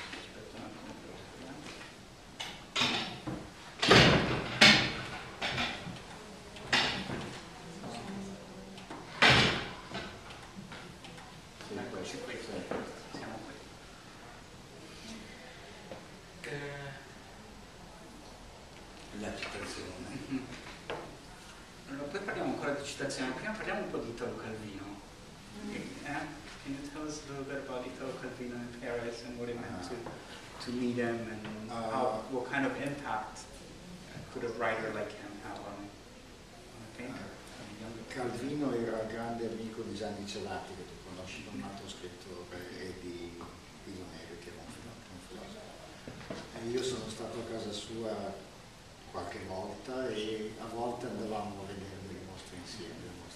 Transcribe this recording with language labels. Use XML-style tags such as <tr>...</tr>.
<it>Aspetta un attimo, però citazione. Prima parliamo un po' di Italo Calvino. camp.</it> <en>Can you tell us a little bit about Italo Calvino in Paris and what it meant to meet him, and what kind of impact could a writer like him have on a painter?</en> <it>Calvino era un grande amico di Gianni Celati, che tu conosci, un altro scrittore, e di Pino Neri, che era un filosofo. E io sono stato a casa sua qualche volta, e a volte andavamo a vedere delle mostre insieme.</it>